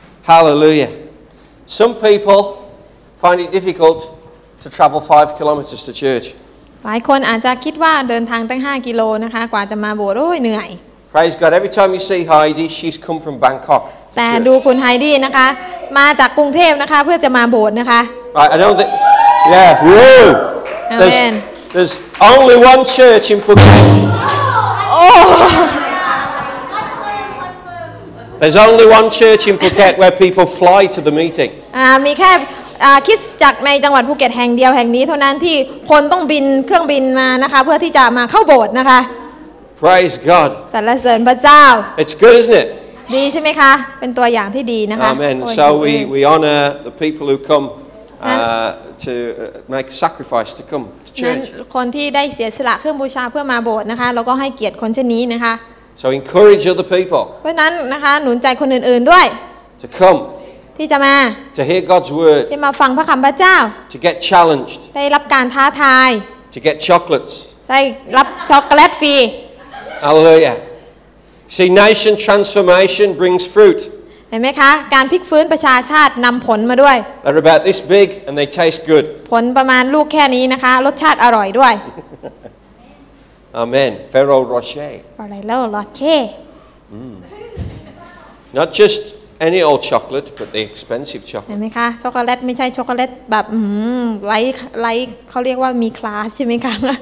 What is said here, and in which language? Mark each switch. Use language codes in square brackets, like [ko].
[en] Hallelujah Some people find it difficult to travel 5 kilometers to church [th] หลายคนอาจจะคิดว่าเดินทางตั้ง5กิโลนะคะกว่าจะมาโบสถ์โอ้ยเหนื่อย [en] Praise God every time you see Heidi she's come from Bangkok [th] แต่ดูคุณไฮดี้นะคะมาจากกรุงเทพนะคะเพื่อจะมาโบสถ์นะคะ [en] I don't think Yeah woo Amen There's only one church in Phuket. There's only one church in Phuket where people fly to the meeting. [th] มีแค่คริสตจักรในจังหวัดภูเก็ตแห่งเดียวแห่งนี้เท่านั้นที่คนต้องบินเครื่องบินมานะคะเพื่อที่จะมาเข้าโบสถ์นะคะ [en] Praise God. [th] สรรเสริญพระเจ้า [en] It's good, isn't it? [th] ดีใช่ไหมคะเป็นตัวอย่างที่ดีนะคะ [en] Amen. So we honor the people who cometo make sacrifice to come to church [th] คนที่ได้เสียสละเครื่องบูชาเพื่อมาโบสถ์นะคะแล้วก็ให้เกียรติคนเช่นนี้นะคะ [en] So encourage other people [th] เพราะนั้นนะคะหนุนใจคนอื่นๆด้วย [en] to come [th] ที่จะมา [en] to hear God's word [th] ที่มาฟังพระคําพระเจ้า [en] to get challenged [th] ได้รับการท้าทาย [en] to get chocolates [th] ได้รับช็อกโกแลตฟรี [en] Hallelujah See nation transformation brings fruit [th] เห็นไหมคะการพลิกฟื้นประชาชาตินำผลมาด้วย [en] They're about this big and they taste good [th] ผลประมาณลูกแค่นี้นะคะรสชาติอร่อยด้วย [en] Amen Ferrero Rocher Ferrero Rocher Not just any old chocolate but the expensive chocolate [th] เห็นไหมคะช็อกโกแลตไม่ใช่ช็อกโกแลตแบบไลท์เขาเรียกว่ามีคลาสใช่ไหมคะ